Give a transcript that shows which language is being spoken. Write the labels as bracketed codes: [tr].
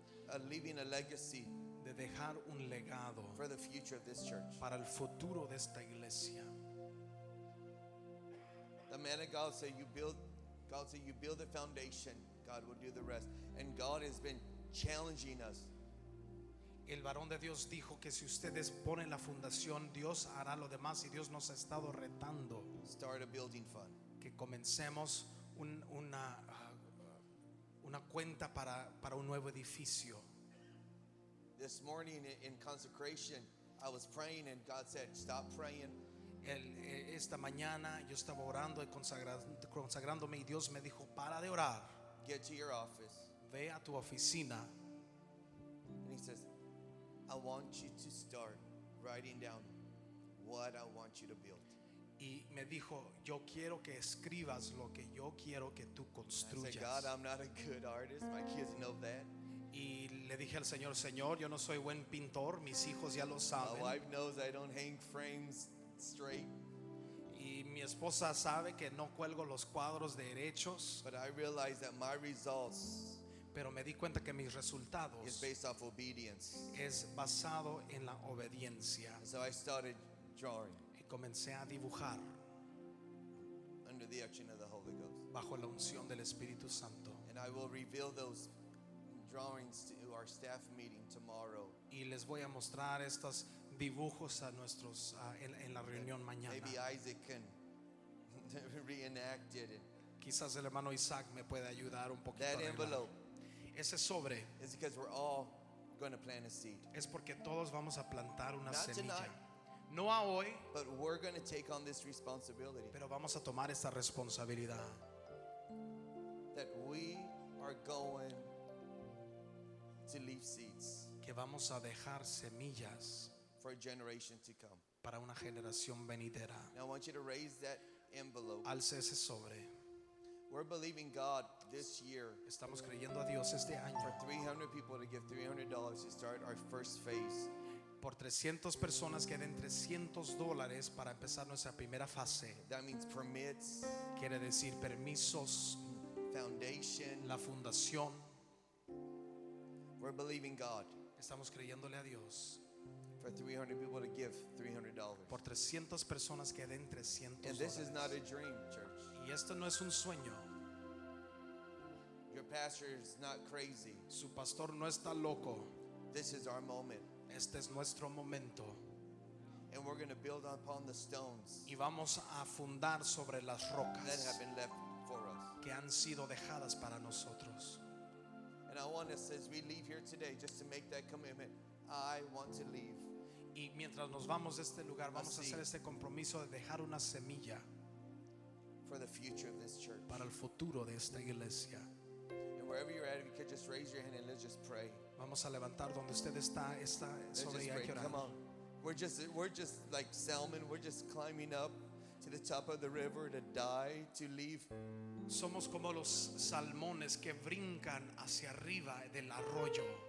[en] of leaving a legacy, [es] de dejar un legado, [en] for the future of this church, [es] para el futuro de esta iglesia. [en] The man of God said, "You build the foundation; God will do the rest." And God has been challenging us. [es] el varón de Dios dijo que si ustedes ponen la fundación, Dios hará lo demás, y Dios nos ha estado retando. [en] Start a building fund. [es] Que comencemos una cuenta para un nuevo edificio. [en] This morning in consecration, I was praying and God said, "Stop praying." [es] Esta mañana yo estaba orando y consagrándome, y Dios me dijo, "Para de orar." [en] Get to your office. [es] Ve a tu oficina. [en] And he says, "I want you to start writing down what I want you to build." [es] Y me dijo, "Yo quiero que escribas lo que yo quiero que tú construyas." [en] I said, "God, I'm not a good artist. My kids know that." [es] Y le dije al Señor, "Señor, yo no soy buen pintor. Mis hijos ya lo saben." [en] My wife knows I don't hang frames straight. [es] Y mi esposa sabe que no cuelgo los cuadros derechos. [en] But I realized that my results. [es] Pero me di cuenta que mis resultados [en] is based off obedience. [es] Es basado en la obediencia. [en] And so I started drawing. [es] Y comencé a dibujar. [en] Under the action of the Holy Ghost. [es] Bajo la unción del Espíritu Santo. [en] And I will reveal those drawings to our staff meeting tomorrow. [es] Y les voy a mostrar estos dibujos a nuestros en la reunión mañana. [en] Maybe Isaac can reenact it. [es] Quizás el hermano Isaac me puede ayudar un poquito. [en] That envelope. [es] Ese sobre. [en] Is because we're all going to plant a seed. [es] Es porque todos vamos a plantar una [en] Not [es] semilla. [en] Tonight, [es] no a hoy. [en] But we're going to take on this responsibility. [es] Pero vamos a tomar esta responsabilidad. [en] That we are going to leave seeds [es] que vamos a dejar semillas [en] for a generation to come. [es] Para una generación venidera. [en] Now I want you to raise that envelope. [es] Alce ese sobre. [en] We're believing God this year. [es] Estamos creyendo a Dios este año. [en] For 300 people to give $300 to start our first phase. [es] Por 300 personas que den $300 para empezar nuestra primera fase. [en] That means permits. [es] Quiere decir permisos. [en] Foundation. [es] La fundación. [en] We're believing God. [es] Estamos creyéndole a Dios. [en] For 300 people to give $300. [es] Por 300 personas que den $300. [en] And this is not a dream, church. [es] Y esto no es un sueño. [en] Your pastor is not crazy. [es] Su pastor no está loco. [en] This is our moment. [es] Este es nuestro momento. [en] And we're going to build upon the stones. [es] Y vamos a fundar sobre las rocas. [en] That have been left for us. [es] Que han sido dejadas para nosotros. [en] And I want us, as we leave here today, just to make that commitment. I want to leave. [es] Y mientras nos vamos de este lugar, vamos a hacer este compromiso de dejar una semilla [en] for the future of this church. [es] Para el futuro de esta iglesia. [en] And wherever you're at, if you could just raise your hand and let's just pray. [es] Vamos a levantar donde usted está. Está sobre ella. [en] Come on, we're just like salmon. We're just climbing up to the top of the river to die, to leave. [es] Somos como los salmones que brincan hacia arriba del arroyo.